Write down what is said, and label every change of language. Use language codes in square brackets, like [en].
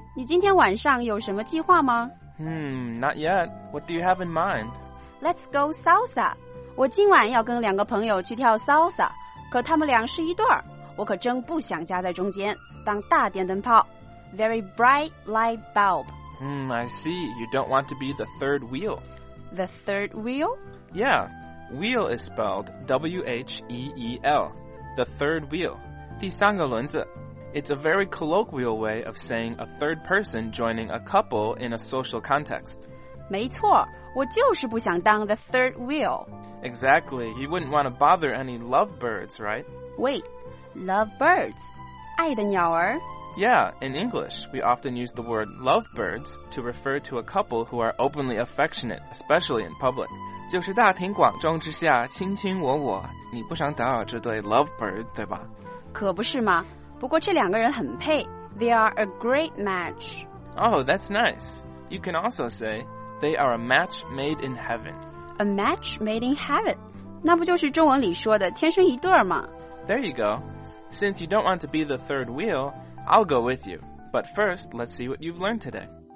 [zh] 你今天晚上有什么计划吗？ [en] Not yet. What do you have in mind? Let's go salsa. [zh] 我今晚要跟两个朋友去跳 salsa, 可他们俩是一对儿，我可真不想夹在中间，当大电灯泡。 [en] Very bright light bulb. I see. You don't want to be the third wheel. The third wheel? Yeah. Wheel is spelled W-H-E-E-L. The third wheel. [zh] 第三个轮子。 [en] It's a very colloquial way of saying a third person joining a couple in a social context. [zh] 没错，我就是不想当 [en] the third wheel. Exactly. You wouldn't want to bother any lovebirds, right? Wait, lovebirds? [zh] 爱的鸟儿? [en] Yeah, in English, we often use the word lovebirds to refer to a couple who are openly affectionate, especially in public. [zh] 就是大庭广众之下卿卿我我，你不想打扰这对 lovebirds, 对吧？可不是吗？不过这两个人很配。 [en] They are a great match. Oh, that's nice. You can also say, they are a match made in heaven. A match made in heaven. [zh] 那不就是中文里说的天生一对吗？ [en] There you go. Since you don't want to be the third wheel, I'll go with you. But first, let's see what you've learned today.